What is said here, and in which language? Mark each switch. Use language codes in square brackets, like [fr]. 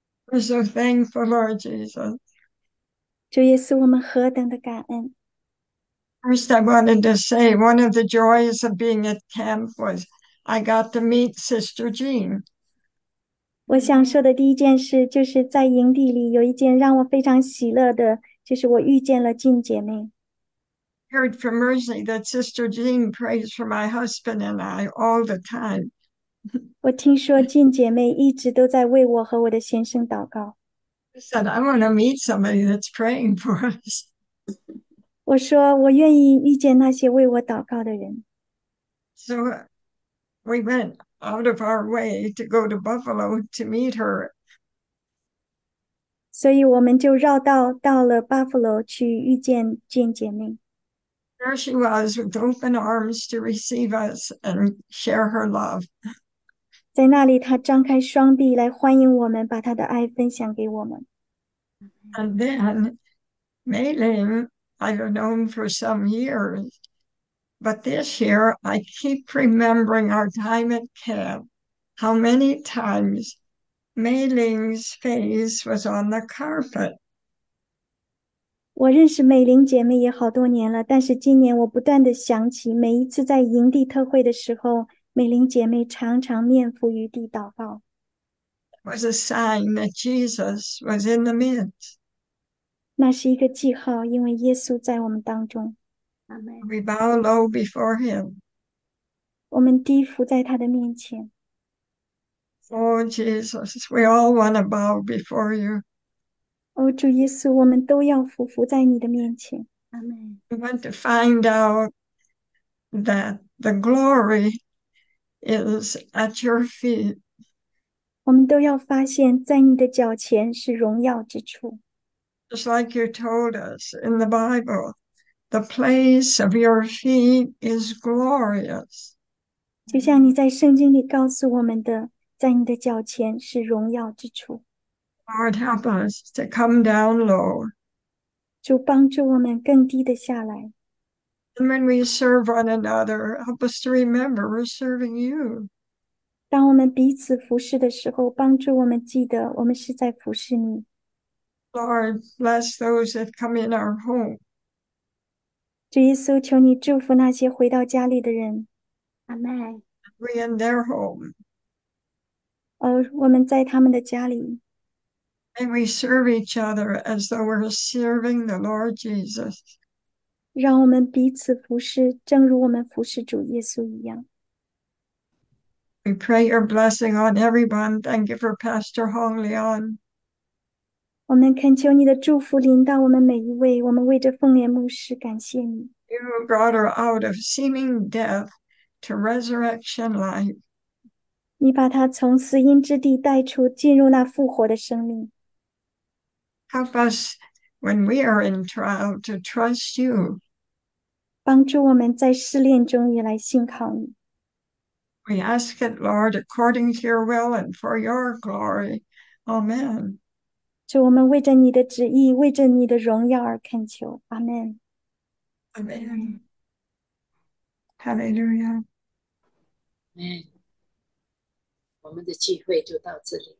[en] praise the Lord. We're so thankful, Lord Jesus. [zh] 主耶稣，我们何等的感恩。 [en] First, I wanted to say one of the joys of being at camp was I got to meet Sister Jean. [zh] 我想说的第一件事，就是在营地里有一件让我非常喜乐的，就是我遇见了静姐妹。 [en] Heard from Mercy that Sister Jean prays for my husband and I all the time. [zh] 我听说静姐妹一直都在为我和我的先生祷告。 [en] Said, I want to meet somebody that's praying for us. [zh] 我说我愿意遇见那些为我祷告的人。 [en] So we went out of our way to go to Buffalo to meet her. [zh] 所以我们就绕道到了 Buffalo 去遇见静姐妹。 [en] There she was with open arms to receive us and share her love. [zh] 在那里，他张开双臂来欢迎我们，把他的爱分享给我们。 [en] And then Mei Ling, I've known for some years, but this year I keep remembering our time at camp, how many times Mei Ling's face was on the carpet. [zh] 我认识美玲姐妹也好多年了，但是今年我不断的想起每一次在营地特会的时候。美玲姐妹常常面伏于地祷告。 [en] Was a sign that Jesus was in the midst. [zh] 那是一个记号，因为耶稣在我们当中。阿门。 [en] We bow low before him. [zh] 我们低伏在他的面前。 [en] Oh, Jesus, we all want to bow before you. [zh] 哦，主耶稣，我们都要伏在你的面前。阿门。 [en] We want to find out that the glory is at your feet. [zh] 我们都要发现，在你的脚前是荣耀之处。 [en] Just like you told us in the Bible, the place of your feet is glorious. [zh] 就像你在圣经里告诉我们的，在你的脚前是荣耀之处。 [en] Lord, help us to come down low. [zh] 主帮助我们更低的下来。 [en] And when we serve one another, help us to remember we're serving you. [zh] 当我们彼此服侍的时候，帮助我们记得，我们是在服侍你。 [en] Lord, bless those that come in our home. [zh] 主耶稣，求你祝福那些回到家里的人。阿门。 [en] We in their home. [zh] 哦，我们在他们的家里。 [en] And we serve each other as though we're serving the Lord Jesus. [zh] 让我们彼此服侍，正如我们服侍主耶稣一样。 [en] We pray your blessing on everyone. Thank you for Pastor Hong Leon. [zh] 我们恳求你的祝福临到我们每一位，我们为着凤莲牧师感谢你。 [en] You brought her out of seeming death to resurrection life. [zh] 你把她从死荫之地带出，进入那复活的生命。 [en] Help us when we are in trial to trust you. [zh] 帮助我们在试炼中也来信靠你。 [en] We ask it, Lord, according to your will and for your glory. Amen. [zh] 主，我们为着你的旨意，为着你的荣耀而恳求。阿门。阿门。Hallelujah. 阿门。我们的聚会就到这里。